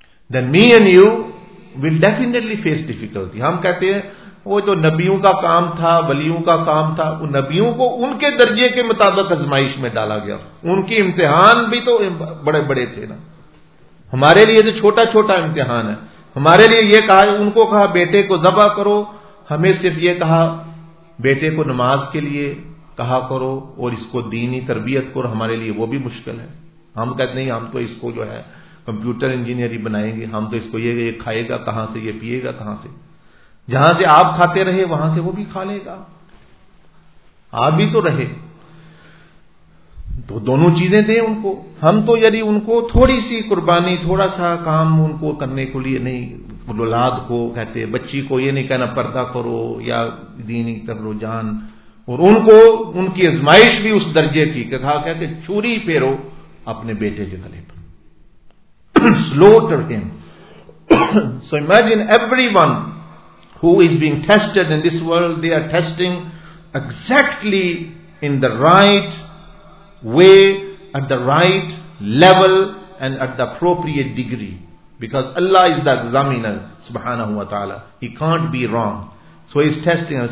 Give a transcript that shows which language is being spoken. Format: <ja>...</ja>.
<en>then me and you will definitely face difficulty.</en> <ur>ہم کہتے ہیں وہ تو نبیوں کا کام تھا, ولیوں کا کام تھا. نبیوں کو ان کے درجے کے مطابق ازمائش میں ڈالا گیا, ان کی امتحان بھی تو بڑے بڑے تھے نا. ہمارے لیے تو چھوٹا چھوٹا امتحان ہے. ہمارے لیے یہ کہا, ان کو کہا بیٹے کو ذبح کرو, ہمیں صرف یہ کہا بیٹے کو نماز کے لیے کہا کرو اور اس کو دینی تربیت کرو. ہمارے لیے وہ بھی مشکل ہے. ہم کہتے نہیں ہم تو اس کو جو ہے کمپیوٹر انجینئر ہی بنائیں گے, ہم تو اس کو یہ کھائے گا کہاں سے, یہ پیے گا کہاں سے, جہاں سے آپ کھاتے رہے وہاں سے وہ بھی کھا لے گا, آپ بھی تو رہے, تو دونوں چیزیں دیں ان کو. ہم تو یعنی ان کو تھوڑی سی قربانی, تھوڑا سا کام ان کو کرنے کے لیے نہیں, اولاد کو کہتے, بچی کو یہ نہیں کہنا پردہ کرو یا دینی کر لو جان, اور ان کو ان کی ازمائش بھی اس درجے کی کہا کہتے چھری پھیرو اپنے بیٹے کے گلے پر, سلوٹر ہم.</ur> <en>So imagine everyone who is being tested in this world, they are testing exactly in the right way, at the right level and at the appropriate degree, because Allah is the examiner subhanahu wa ta'ala, he can't be wrong, so he is testing.</en>